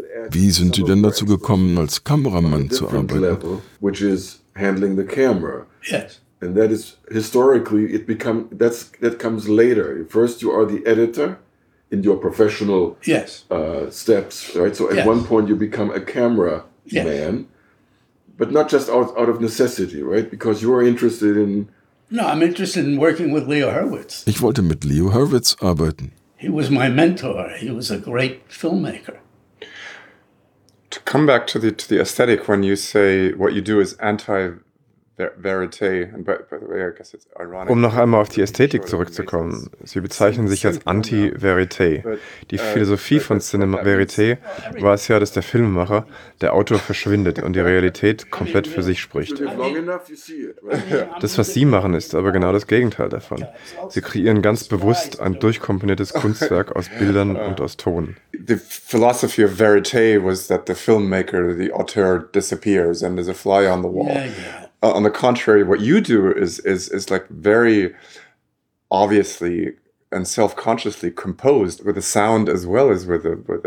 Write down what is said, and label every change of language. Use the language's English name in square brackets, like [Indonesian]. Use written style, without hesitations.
[German] Wie sind Sie denn dazu gekommen, als Kameramann zu arbeiten? [English] Which is handling the camera. Yes. And that is historically it become that's that comes later. First you are the editor in your professional steps, right? So at one point you become a camera man, but not just out of necessity, right? Because you are interested in. No, I'm interested in working with Leo Hurwitz. [German] Ich wollte mit Leo Hurwitz arbeiten. [English] He was my mentor. He was a great filmmaker. To come back to the aesthetic, when you say what you do is anti Verité, and by the way, I guess it's ironic. [German] Um noch einmal auf die Ästhetik zurückzukommen. Sie bezeichnen sich als Anti-Verité. Die Philosophie von Cinema Verité war es ja, dass der Filmemacher, der Autor verschwindet und die Realität komplett für sich spricht. Das, was Sie machen, ist aber genau das Gegenteil davon. Sie kreieren ganz bewusst ein durchkomponiertes Kunstwerk aus Bildern und aus Ton. [English] The philosophy of Verité was that the filmmaker, the auteur, disappears and is a fly on the wall. On the contrary, what you do is like very obviously and self-consciously composed with a sound as well as with a.